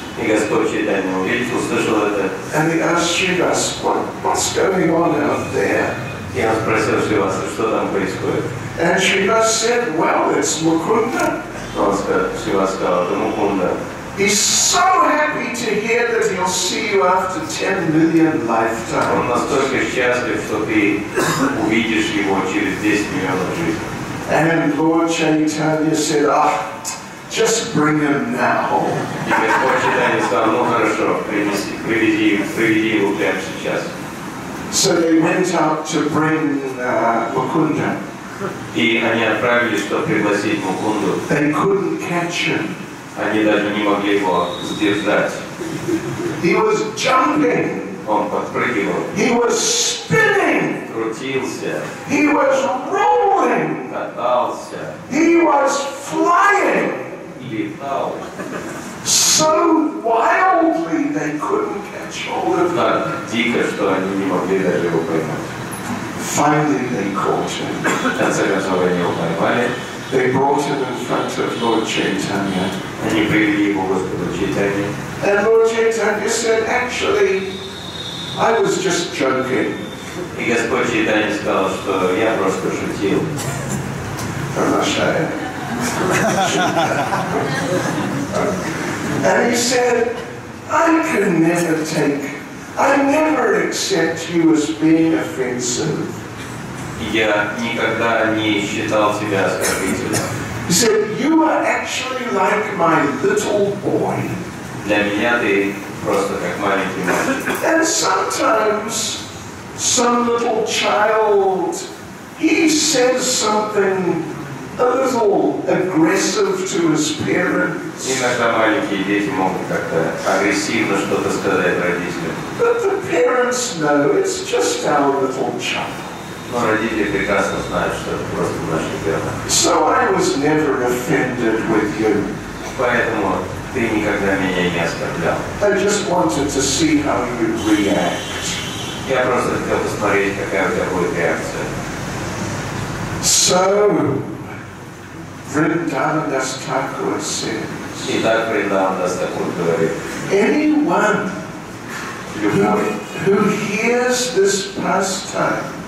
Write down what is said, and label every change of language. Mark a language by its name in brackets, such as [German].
[Russian] И Господь Читание увидел, услышал это. [English] And he asked Shivas, what's going on out there? [Russian] И он спросил Шиваса, что там происходит. [English] And Shivas said, well, it's Mukunda. [Russian] Он сказал, Шивас сказал, это Мукунда. [English] He's so happy to hear that he'll see you after 10 million lifetimes. [Russian] Он настолько счастлив, что ты увидишь его через 10 миллионов жизней. [English] And Lord Chaitanya said, ah, just bring him now. [Russian] И Господь Читание сказал, ну хорошо, приведи его прямо сейчас. [English] So they went out to bring Mukunda. [Russian] И они отправились, чтобы пригласить Мукунду. [English] They couldn't catch him. [Russian] Они даже не могли его сдержать. [English] He was jumping. [Russian] Он подпрыгивал. [English] He was spinning. [Russian] Крутился. [English] He was rolling. [Russian] Катался. [English] He was flying. [Russian] Летал. [English] So wildly they couldn't catch hold of him. [Russian] Так дико, что они не могли даже его поймать. [English] Finally they caught him. [Russian] В конце концов они его поймали. [English] They brought him in front of Lord Chaitanya. [Russian] Они привели его Господу Чайтанье. [English] And Lord Chaitanya said, actually, I was just joking. [Russian] И Господь Чайтанье сказал, что я просто шутил. Прошая. [English] And he said, I never accept you as being offensive. [Russian] Я никогда не считал себя оскорбителем. [English] He said, you are actually like my little boy. [Russian] Для меня ты просто как маленький мальчик. [English] And sometimes some little child, he says something a little aggressive to his parents. [Russian] Иногда маленькие дети могут как-то агрессивно что-то сказать родителям. [English] But the parents know it's just our little child. [Russian] Но родители прекрасно знают, что это просто наш ребенок. [English] So I was never offended with you. [Russian] Поэтому ты никогда меня не оскорблял. [English] I just wanted to see how you react. [Russian] Я просто хотел посмотреть, какая у тебя будет реакция. [English] So Vrindavanadas Thakur says. [Russian] Итак, Vrindavanadas Thakur говорит. [English] Anyone who hears this pastime.